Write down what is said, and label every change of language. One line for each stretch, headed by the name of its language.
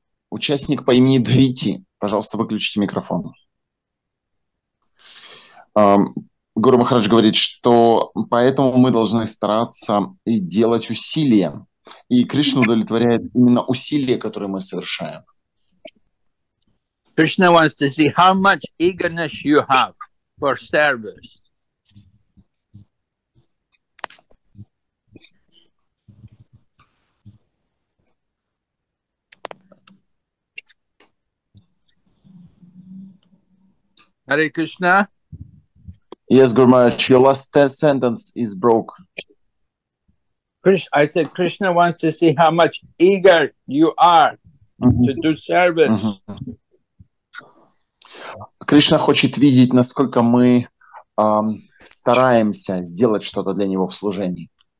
Russian: Участник по имени Двити, пожалуйста, выключите микрофон. Гуру Махарадж говорит, что поэтому мы должны стараться и делать усилия. И Кришна удовлетворяет именно усилия, которые мы совершаем.
English: Krishna wants to see how much eagerness you have for service. Hare Krishna. Yes, Guru Maharaj, your last sentence is broke. I said Krishna wants to see how much eager you are to do service.
Russian: Krishna хочет видеть, насколько мы стараемся сделать что-то для него в служении.